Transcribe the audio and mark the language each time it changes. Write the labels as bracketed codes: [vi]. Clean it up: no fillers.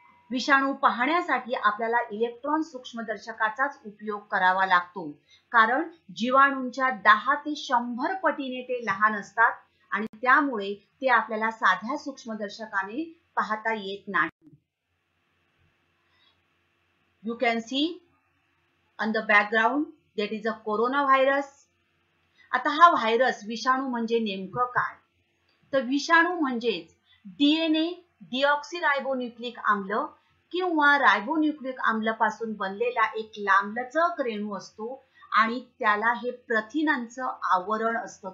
[mr] विषाणू पाहण्यासाठी आपल्याला इलेक्ट्रॉन सूक्ष्मदर्शकाचाच उपयोग करावा लागतो, कारण जीवाणूंच्या 10 ते 100 पटीने ते लहान असतात आणि त्यामुळे ते आपल्याला साध्या सूक्ष्मदर्शकाने पाहता येत नाही. [en] You can see on the background that is a coronavirus. [mr] आता हा व्हायरस विषाणू म्हणजे नेमकं काय? तर विषाणू म्हणजेच डीएनए डिऑक्सीरायबोन्यूक्लिक आम्ल किंवा रायबोन्यूक्लिक आम्लापासून बनलेला एक लांबलचक रेणू असतो आणि त्याला हे प्रथिनांचं आवरण असतं.